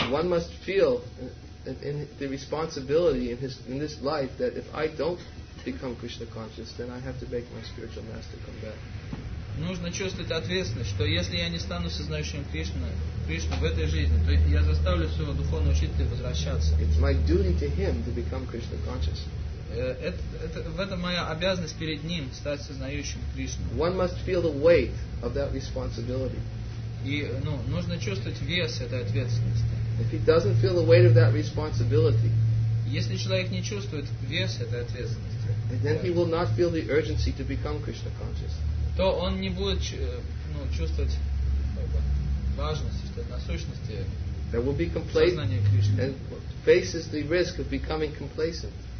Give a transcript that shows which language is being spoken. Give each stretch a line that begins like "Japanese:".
English: One must feel in the responsibility in this life that if I don't become Krishna conscious, then I have to make my spiritual master come back.
Russian: Нужно чувствовать ответственность, что если я не стану сознающим Кришну в этой жизни, то я заставлю своего духовного учителя возвращаться.
English: It's my duty to him to become Krishna conscious.
Russian: В этом моя обязанность перед ним стать сознающим Кришну.
English: One must feel the weight of that responsibility.
Russian: И нужно чувствовать вес этой ответственности.
English: If he doesn't feel the weight of that responsibility,
Russian: если человек не чувствует вес этой ответственности,
English: then he will not feel the urgency to become Krishna conscious.
Russian: То он не будет чувствовать важности, насущности
English: that will be complacent and faces the risk of becoming complacent.